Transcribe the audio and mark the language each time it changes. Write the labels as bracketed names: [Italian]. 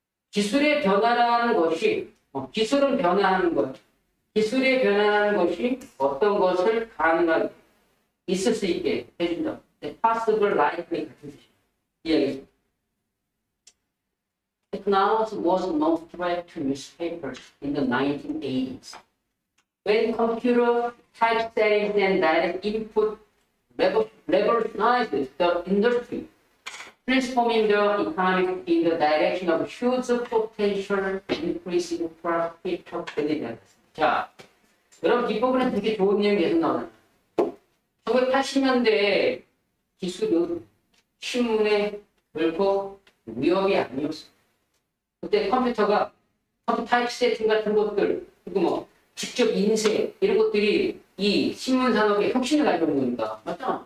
[Korean] 기술의 변화라는 것이, 기술은 변화하는 것. 기술의 변화라는 것이 어떤 것을 가능하게, 있을 수 있게 해준다. possible, likely 같은 뜻이. 이야기죠. [English] Technology was no threat to newspapers in the 1980s. When computer typesetting and direct input revolutionized the industry, transforming the economy in the direction of huge potential increasing profit of dividends. [Korean] 자, 여러분, 이 부분은 되게 좋은 내용이 계속 나와요. 1980년대에 기술은 신문에 결코 위협이 아니었어요. 그때 컴퓨터가 컴퓨터 타입세팅 같은 것들, 그리고 뭐, 직접 인쇄, 이런 것들이 이 신문산업의 혁신을 가져온 겁니다. 맞죠?